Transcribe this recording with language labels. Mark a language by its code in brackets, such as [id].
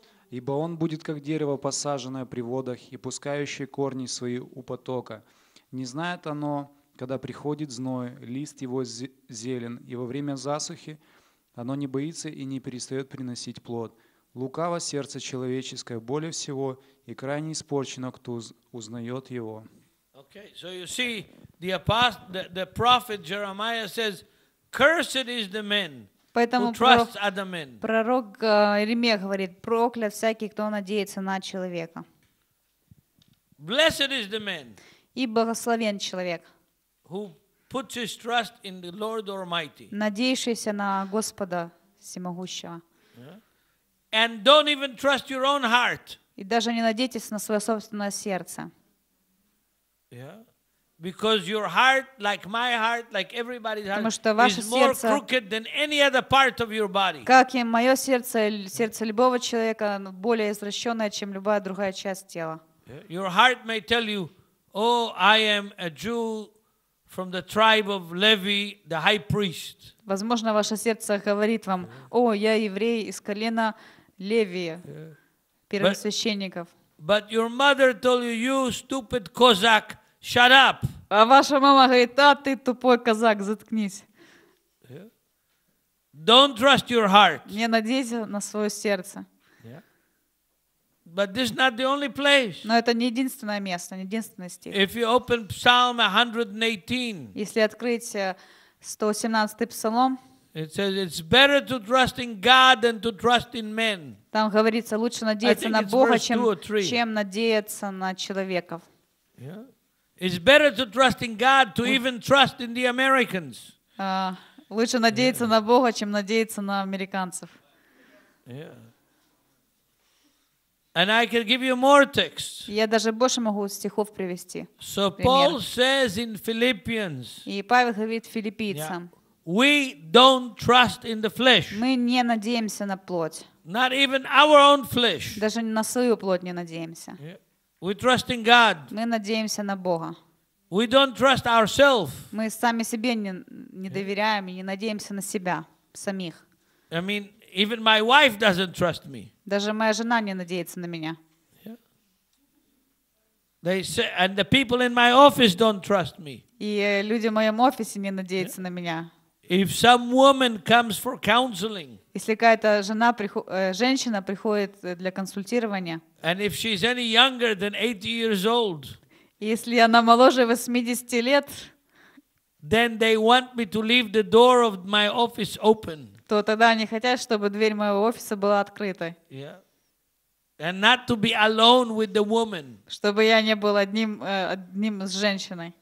[ru] Ибо он будет как дерево, посаженное при водах, и пускающее корни свои у потока. Не знает оно, когда приходит зной, лист его зелен, и во время засухи оно не боится и не перестает приносить плод. Лукаво сердце человеческое более всего, и крайне испорчено, кто узнает его. [en] Okay, so you see, the apostle, the prophet Jeremiah says, cursed is the man who trusts other men. [ru] Пророк Иеремия говорит, проклят всякий, кто надеется на человека. [en] Blessed is the man. [ru] И благословен человек. [en] Who puts his trust in the Lord Almighty. [ru] Надеющийся на Господа Всемогущего. [en] And don't even trust your own heart. [ru] И даже не надейтесь на свое собственное сердце. Yeah. [en] Because your heart, like my heart, like everybody's heart, [ru] потому что ваше [en] is more crooked than any other part of your body. [ru] Как и мое сердце, сердце любого человека более извращенное, чем любая другая часть тела. Yeah. [en] Your heart may tell you, "Oh, I am a Jew from the tribe of Levi, the high priest." [ru] Возможно, ваше сердце говорит вам, "О, я еврей из колена Левия, первосвященников." [en] But your mother told you, "You stupid Cossack, shut up." [ru] А ваша мама говорит: "А ты тупой казак, заткнись." [en] Don't trust your heart. [ru] Не надейся на свое сердце. [en] But this is not the only place. [ru] Но это не единственное место, не единственный стих. [en] If you open Psalm 118. [ru] Если открыть 118-й псалом. [en] It says it's better to trust in God than to trust in men. [ru] Там говорится, лучше надеяться на Бога, чем надеяться на человека. Yeah. [en] It's better to trust in God to even trust in the Americans. [ru] Лучше надеяться на Бога, чем надеяться на американцев. Yeah. [en] And I can give you more texts. [ru] Я даже больше могу стихов привести. [en] So Paul says in Philippians. [ru] И Павел говорит филиппийцам. [en] We don't trust in the flesh. [ru] Мы не надеемся на плоть. [en] Not even our own flesh. [ru] Даже на свою плоть не надеемся. [en] Yeah. We trust in God. [ru] Мы надеемся на Бога. [en] We don't trust ourselves. [ru] Мы сами себе не доверяем и не надеемся на себя самих. [en] I mean, even my wife doesn't trust me. [ru] Даже моя жена не надеется на меня. [en] They say, and the people in my office don't trust me. [ru] И люди в моем офисе не надеются на меня. [en] If some woman comes for counseling, [ru] если какая-то жена женщина приходит для консультирования, [en] and if she's any younger than 80 years old, [ru] если она моложе 80 лет, [en] then they want me to leave the door of my office open. [ru] То тогда они хотят, чтобы дверь моего офиса была открытой. Yeah. [en] And not to be alone with the woman. [ru] Чтобы я не был одним с женщиной.